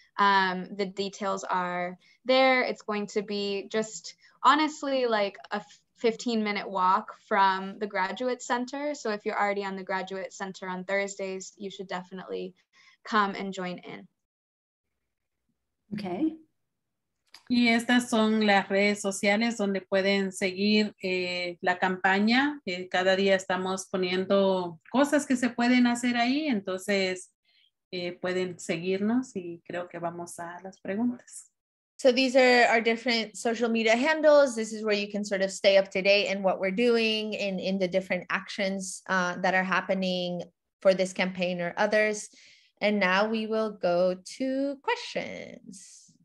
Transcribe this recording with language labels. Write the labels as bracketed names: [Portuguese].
[English] The details are there. It's going to be just honestly like a 15-minute walk from the Graduate Center. So if you're already on the Graduate Center on Thursdays, you should definitely come and join in. Okay. [Spanish] Y estas son las redes sociales donde pueden seguir la campaña. Cada día estamos poniendo cosas que se pueden hacer ahí. Entonces, pueden seguirnos y creo que vamos a las preguntas. [English] So these are our different social media handles. This is where you can sort of stay up to date in what we're doing and in the different actions that are happening for this campaign or others. And now we will go to questions.